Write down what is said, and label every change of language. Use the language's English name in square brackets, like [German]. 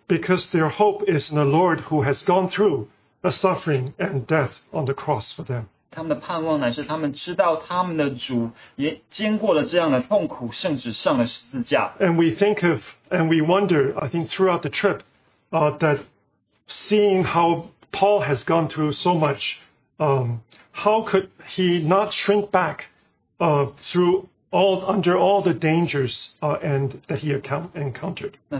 [English] because their hope is in the Lord who has gone through a suffering and death on the cross for them. [Chinese] 他们的盼望乃是他们知道他们的主也经过了这样的痛苦, [English] and we wonder, I think throughout the trip, that seeing how Paul has gone through so much, how could he not shrink back under all the dangers and that he encountered?